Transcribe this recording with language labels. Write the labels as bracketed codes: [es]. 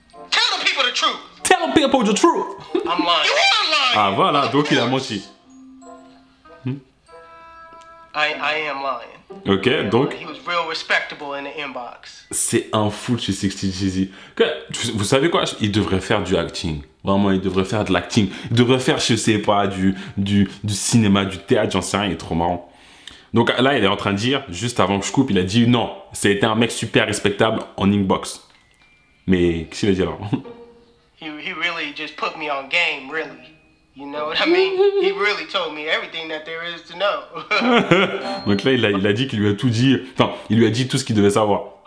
[en] Tell the people the truth. Tell people the truth. I'm lying. You are lying. [fr] Ah voilà, donc il a menti. [en] I am lying. Ok, lying. [fr] Donc. [en] He was real respectable in the inbox. [fr] C'est un fou chez 60 Jeezy. Vous savez quoi? Il devrait faire du acting. Vraiment, il devrait faire de l'acting. Il devrait faire, je sais pas, du cinéma, du théâtre, j'en sais rien, il est trop marrant. Donc là, il est en train de dire, juste avant que je coupe, il a dit non, c'était un mec super respectable en inbox. Mais qu'est-ce qu'il a dit alors? [en] He really just put me on game, really. You know what I mean? He really told me everything that there is to know. [fr] Donc là, il a dit qu'il lui a tout dit. Enfin, il lui a dit tout ce qu'il devait savoir.